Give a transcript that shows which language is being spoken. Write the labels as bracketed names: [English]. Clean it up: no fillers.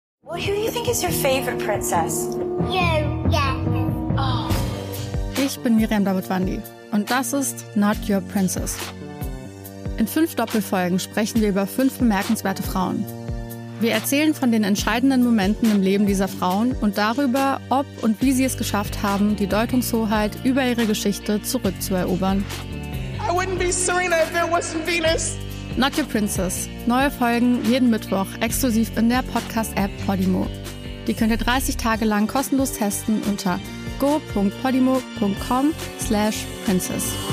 [English] Well, who do you think is your favorite princess? You, yes. Oh. [German] Ich bin Miriam Dabutwandi und das ist Not Your Princess. In 5 Doppelfolgen sprechen wir über 5 bemerkenswerte Frauen. Wir erzählen von den entscheidenden Momenten im Leben dieser Frauen und darüber, ob und wie sie es geschafft haben, die Deutungshoheit über ihre Geschichte zurückzuerobern. [English] I wouldn't be Serena if there wasn't Venus. Not Your Princess. [German] Neue Folgen jeden Mittwoch exklusiv in der Podcast-App Podimo. Die könnt ihr 30 Tage lang kostenlos testen unter go.podimo.com/princess.